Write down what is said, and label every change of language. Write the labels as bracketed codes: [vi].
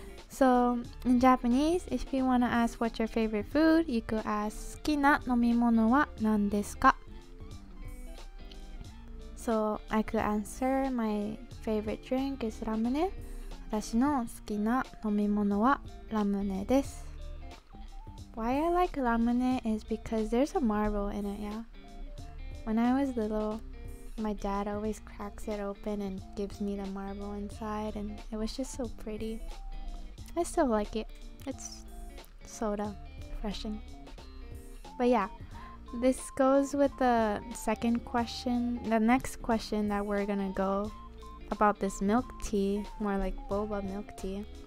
[en] So, in Japanese, if you want to ask what's your favorite food, you could ask [ja] 好きな飲み物は何ですか? [en] So, I could answer my favorite drink is ramune. [ja] 私の好きな飲み物はラムネです. [en] Why I like ramune is because there's a marble in it, yeah? When I was little, my dad always cracks it open and gives me the marble inside, and it was just so pretty. I still like it. It's soda, refreshing. But yeah, this goes with the second question, the next question that we're gonna go about this milk tea, more like boba milk tea.